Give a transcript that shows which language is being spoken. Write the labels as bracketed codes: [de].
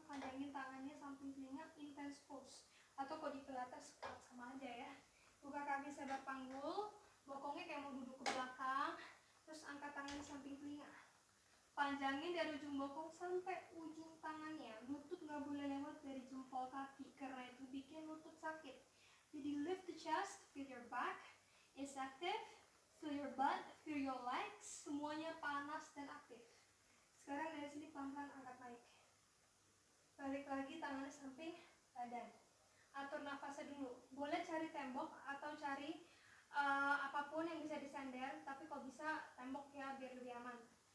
[id] Panjangin tangannya samping telinga, intense pose. Atau kalau di pelatas, sama aja ya. Buka kaki sebar panggul. Bokongnya kayak mau duduk ke belakang. Terus angkat tangan samping telinga. Panjangin dari ujung bokong sampai ujung tangannya. Lutut gak boleh lewat dari jempol kaki, karena itu bikin lutut sakit. Jadi [en] lift the chest, feel your back is active. Feel your butt, feel your legs. [id] Semuanya panas dan aktif. Sekarang dari sini pelan-pelan angkat naik. Balik lagi tangannya samping badan. Atur nafasnya dulu. Boleh cari tembok atau cari apapun yang bisa disender. Tapi kalau bisa temboknya biar lebih aman.